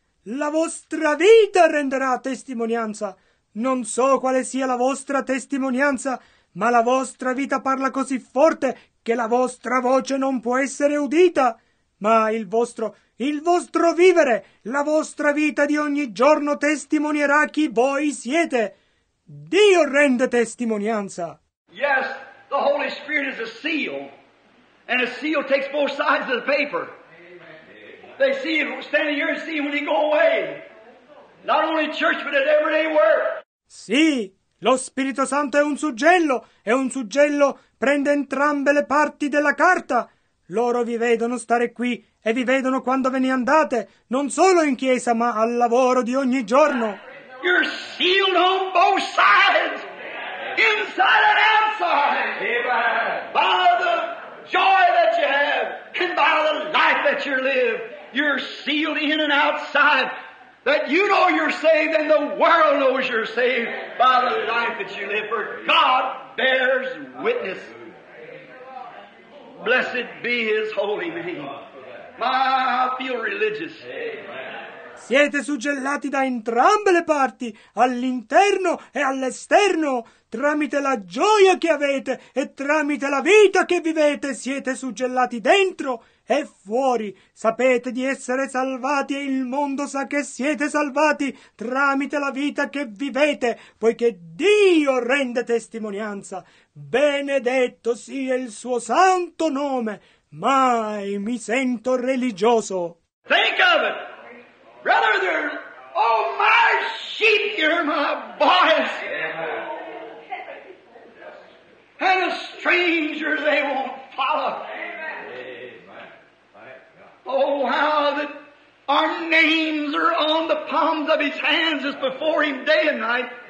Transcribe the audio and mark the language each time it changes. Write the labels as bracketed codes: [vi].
[it] La vostra vita renderà testimonianza. Non so quale sia la vostra testimonianza, ma la vostra vita parla così forte che la vostra voce non può essere udita. Ma il vostro vivere, la vostra vita di ogni giorno testimonierà chi voi siete. Dio rende testimonianza. [en] Yes, the Holy Spirit is a seal, and a seal takes both sides of the paper. Amen. They see him standing here and see him when he go away. Not only church, but at everyday work. [it] Sì, lo Spirito Santo è un suggello, e un suggello prende entrambe le parti della carta. Loro vi vedono stare qui e vi vedono quando ve ne andate, non solo in chiesa, ma al lavoro di ogni giorno. [en] You're sealed on both sides, inside and outside, by the joy that you have and by the life that you live. You're sealed in and outside, that you know you're saved and the world knows you're saved by the life that you live, for God bears witness. Blessed be his holy name. Ma, I feel religious. [it] Siete suggellati da entrambe le parti, all'interno e all'esterno, tramite la gioia che avete e tramite la vita che vivete, siete suggellati dentro e fuori. Sapete di essere salvati e il mondo sa che siete salvati tramite la vita che vivete, poiché Dio rende testimonianza. Benedetto sia il suo santo nome. Mai mi sento religioso. [en] Think of it! Brother, they're all my sheep, they're my voice. Yeah. And a stranger they won't follow. Amen. Oh, how that our names are on the palms of his hands is before him day and night.